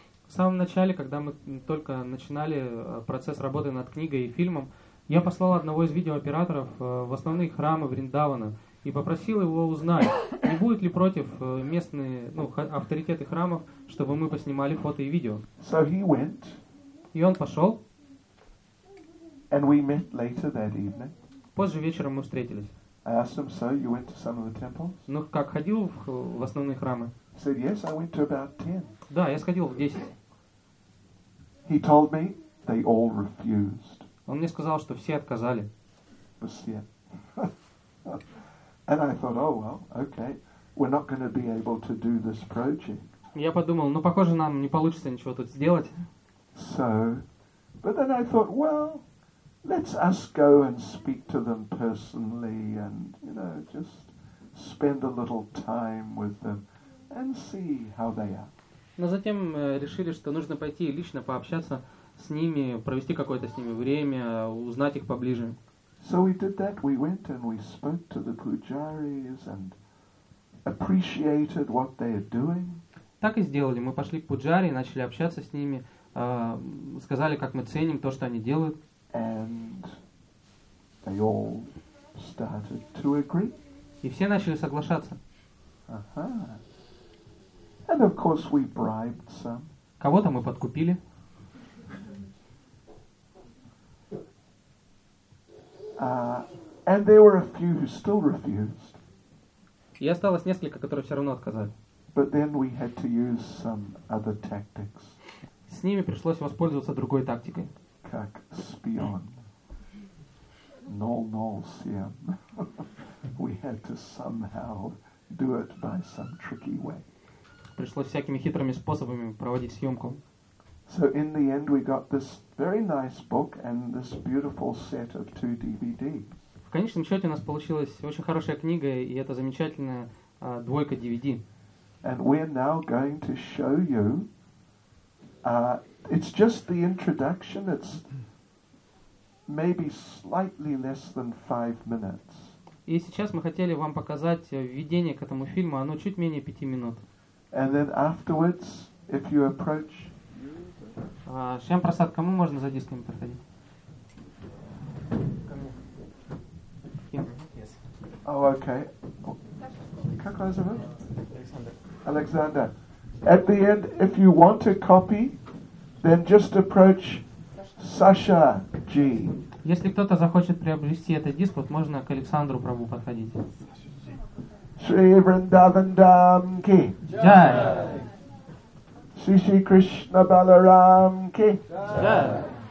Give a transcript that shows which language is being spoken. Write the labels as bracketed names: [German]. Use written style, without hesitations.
[Russian] В самом начале, когда мы только начинали процесс работы над книгой и фильмом, я послал одного из видеооператоров в основные храмы Вриндавана и попросил его узнать, не будет ли против местные, ну, авторитеты храмов, чтобы мы поснимали фото и видео. [English] So he went. [Russian] И он пошел. [English] And we met later that evening. [Russian] Позже вечером мы встретились. [English] I asked him, so you went to some of the temples? [Russian] Ну, как, ходил в основные храмы? [English] He said, yes, I went to about 10. [Russian] Да, я сходил в 10. [English] He told me they all refused. [Russian] Он мне сказал, что все отказали. Все. [English] And I thought, oh, well, okay, we're not going to be able to do this project. [Russian] Я подумал, ну, похоже, нам не получится ничего тут сделать. [English] So, but then I thought, well, let's us go and speak to them personally and, you know, just spend a little time with them and see how they are. [Russian] Но затем решили, что нужно пойти лично пообщаться с ними, провести какое-то с ними время, узнать их поближе. [English] So we did that. We went and we spoke to the pujaris and appreciated what they are doing. [Russian] Так и сделали. Мы пошли к пуджари, начали общаться с ними, сказали, как мы ценим то, что они делают. [English] And they all started to agree. [Russian] И все начали соглашаться. [English] Uh-huh. And of course we bribed some. [Russian] Кого-то мы подкупили. [English] And there were a few who still refused. [Russian] И осталось несколько, которые все равно отказали. [English] But then we had to use some other tactics. [Russian] С ними пришлось воспользоваться другой тактикой. Как спион. Null siam. [English] We had to somehow do it by some tricky way. [Russian] Пришлось всякими хитрыми способами проводить съемку. [English] So in the end we got this very nice book and this beautiful set of two DVDs. [Russian] В конечном счете у нас получилась очень хорошая книга и эта замечательная двойка DVD. [English] And we're now going to show you it's just the introduction, it's maybe slightly less than 5 minutes. [Russian] И сейчас мы хотели вам показать введение к этому фильму, оно чуть менее 5 минут. [English] And then afterwards, if you approach... [Russian] Шьям Прасад, кому можно за дисками подходить? Ко мне. [English] Oh, okay. [Russian] Как вас зовут? Александр. [English] At the end, if you want a copy, then just approach Sasha G. [Russian] Если кто-то захочет приобрести этот диск, вот можно к Александру Прабу подходить. [Hindi] Sri Vrindavan Dam Ki. Jai. Sri Sri Krishna Balaram Ki. Jai.